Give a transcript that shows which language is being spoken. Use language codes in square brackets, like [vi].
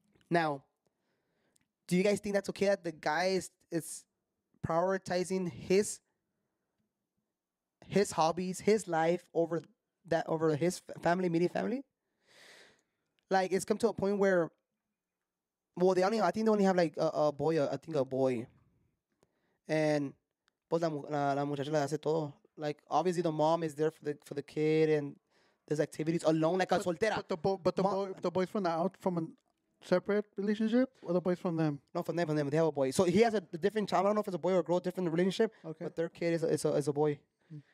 [en] Now, do you guys think that's okay that the guy is prioritizing his hobbies, his life over his family, immediate family? Like, it's come to a point where, well, they only have a boy. [es] And, pues la muchacha le hace todo. [en] Like, obviously, the mom is there for the kid and there's activities alone, like a soltera. But the boy's from a separate relationship, or the boy's from them? No, from them. They have a boy. So he has a different child. I don't know if it's a boy or a girl, different relationship. Okay. But their kid is a boy. Mm-hmm.